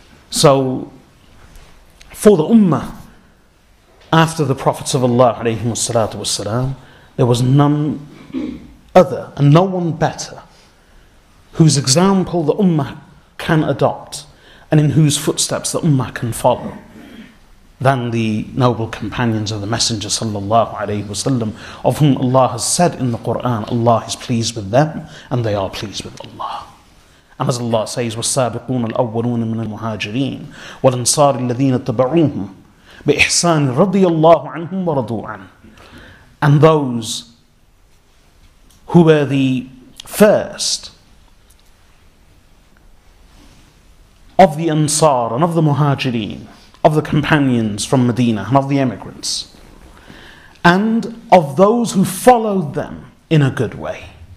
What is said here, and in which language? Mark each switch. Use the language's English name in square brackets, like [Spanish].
[English] So for the Ummah, after the Prophets of Allah alayhi wasallatu wasalam, there was none other and no one better whose example the Ummah can adopt and in whose footsteps the Ummah can follow than the noble companions of the Messenger sallallahu alayhi wa sallam, of whom Allah has said in the Qur'an, Allah is pleased with them and they are pleased with Allah. And as Allah says, [Arabic] وَالسَّابِقُونَ الْأَوَّلُونَ مِنَ الْمُهَاجِرِينَ وَالْأَنصَارِ الَّذِينَ اتَّبَعُوهُمْ بِإِحْسَانٍ رَضِيَ اللَّهُ عَنْهُمْ وَرَضُوا عَنْهُ. [English] And those who were the first of the Ansar and of the Muhajireen, of the companions from Medina and of the emigrants, and of those who followed them in a good way.